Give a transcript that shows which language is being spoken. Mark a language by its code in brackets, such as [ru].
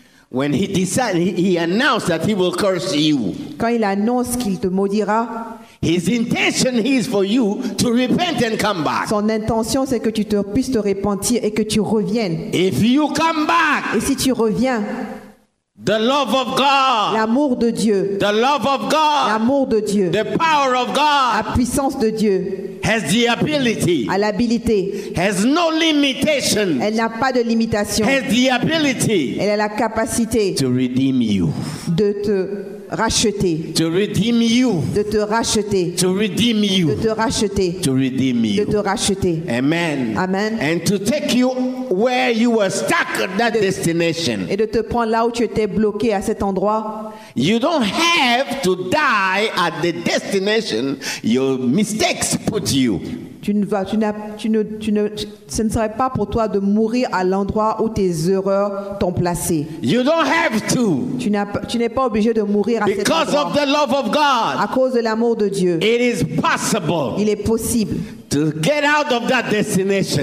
[en] When he decides, he announced that he will curse you. [fr] Quand il annonce qu'il te maudira. [en] His intention is for you to repent and come back. [fr] Son intention c'est que tu te puisses te repentir et que tu reviennes. [en] If you come back. [fr] Et si tu reviens. [en] The love of God. [fr] L'amour de Dieu. [en] The love of God. [fr] L'amour de Dieu. [en] The power of God. [fr] La puissance de Dieu. [en] Has the ability. [fr] A l'habilité. [en] Has no limitation. [fr] Elle n'a pas de limitation. [en] Has the ability. [fr] Elle a la capacité. [en] To redeem you. [fr] De te racheter. [en] To redeem you. [fr] De te racheter. [en] To redeem you. [fr] De te racheter. [en] To redeem you. [fr] De te racheter. [en] Amen. [fr] Amen. [en] And to take you where you were stuck at that destination. [fr] Et de te prendre là où tu étais bloqué à cet endroit. [en] You don't have to die at the destination your mistakes put you. [fr] Ce ne serait pas pour toi de mourir à l'endroit où tes erreurs t'ont placé. [en] You don't have to. [fr] Tu n'es pas obligé de mourir à cet endroit. [en] Because of the love of God. [fr] À cause de l'amour de Dieu. [en] It is possible. [fr] Il est possible. [en] To get out of that destination.